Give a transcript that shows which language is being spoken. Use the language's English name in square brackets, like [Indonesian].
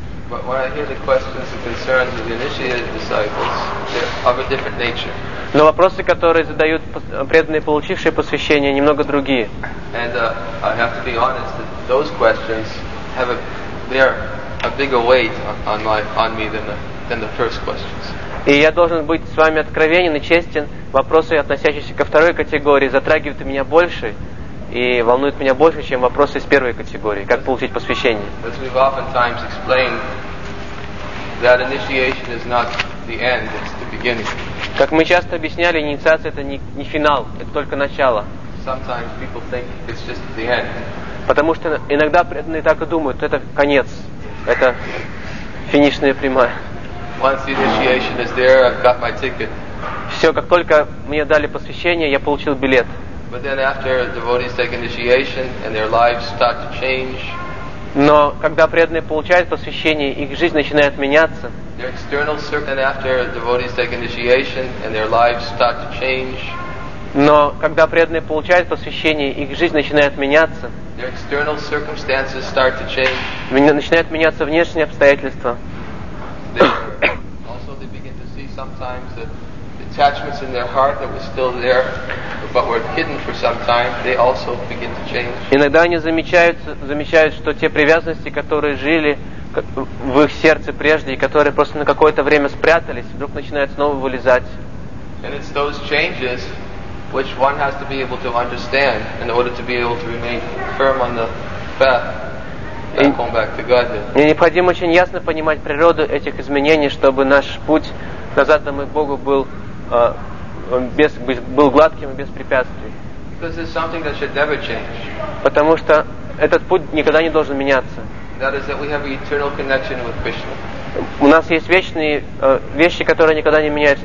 [English] But when I hear the questions and concerns of the initiated disciples, they're of a different nature. [Russian] Но вопросы, которые задают преданные, получившие посвящение, немного другие. [English] And I have to be honest that those questions have a bigger weight on me than the first questions. [Russian] И я должен быть с вами откровенен и честен. Вопросы, относящиеся ко второй категории, затрагивают меня больше и волнует меня больше, чем вопросы из первой категории, как получить посвящение. [English] As we've oftentimes explained, that initiation is not the end, it's the beginning. [Russian] Как мы часто объясняли, инициация — это не финал, это только начало. [English] Sometimes people think it's just the end. [Russian] Потому что иногда преданные так и думают, это конец, это финишная прямая. [English] Once the initiation is there, I've got my ticket. [Russian] Все, как только мне дали посвящение, я получил билет. [English] But then after devotees take initiation and their lives start to change. [Russian] Но когда преданные получают посвящение, их жизнь начинает меняться. [English] Their external circumstances after devotees take initiation and their lives start to change. [Russian] Но когда преданные получают посвящение, их жизнь начинает меняться. [English] Their external circumstances start to change. [Russian] Начинают меняться внешние обстоятельства. [English] They begin to see sometimes that attachments in their heart that were still there but were hidden for some time, they also begin to change. [Russian] Иногда они замечают, что те привязанности, которые жили в их сердце прежде, которые просто на какое-то время спрятались, вдруг начинают снова вылезать. [English] And it's those changes which one has to be able to understand in order to be able to remain firm on the path. [Russian] Мне необходимо очень ясно понимать природу этих изменений, чтобы наш путь назад домой к Богу был гладким и без препятствий. [English] Because it's something that should never change. [Russian] Потому что этот путь никогда не должен меняться. [English] That is that we have an eternal connection with Krishna. [Russian] У нас есть вечные вещи, которые никогда не меняются.